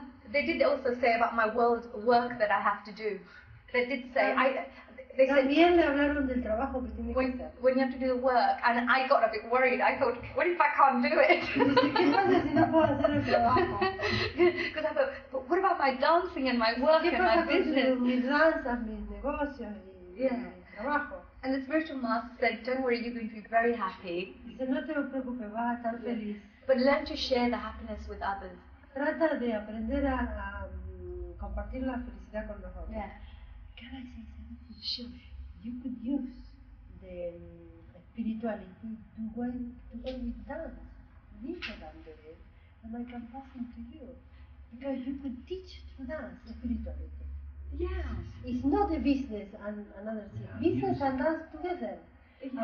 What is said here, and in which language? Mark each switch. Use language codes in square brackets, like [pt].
[en] They did also say about my world work that I have to do. They did say they said, [es] también le hablaron del trabajo que tiene que hacer. [en] When you have to do the work, and I got a bit worried. I thought, what if I can't do it? Because I thought, but what about my dancing and my work and my business? [es] Mis danzas, mis negocios y mi trabajo. [en] And the spiritual master said, don't worry, you're going to be very happy. [es] Dice, no te preocupes, vas a estar feliz. [en] But learn to share the happiness with others. [es] Trata de aprender a compartir la felicidad con los otros. [en] Yeah. Can I say something? Sure. You could use the spirituality to when we dance. We could under it, and I can pass it to you. Because you could teach to dance spirituality. Yes. It's not a business and another thing. Yeah, business and dance together. Yeah.